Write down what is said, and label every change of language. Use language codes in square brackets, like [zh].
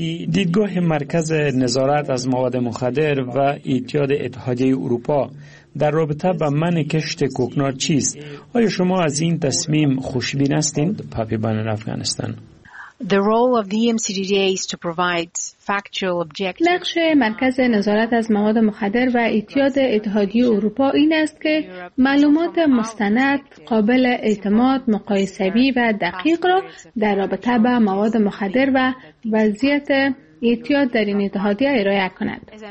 [fa] دیدگاه مرکز نظارت از مواد مخدر و ایتیاد اتحادیه اروپا در رابطه با منع کشت کوکنار چیست؟ آیا شما از این تصمیم خوشبین هستید؟ [en] پاپی بانن [fa] افغانستان. [en] The role of the EMCDDA is to provide factual objective. [fa] نقش مرکز نظارت از مواد مخدر و ایتیاد اتحادیه اروپا این است که معلومات مستند، قابل اعتماد، مقایسه‌ای و دقیق را در رابطه با مواد مخدر و وضعیت ایتیاد در این اتحادیه ارائه کند.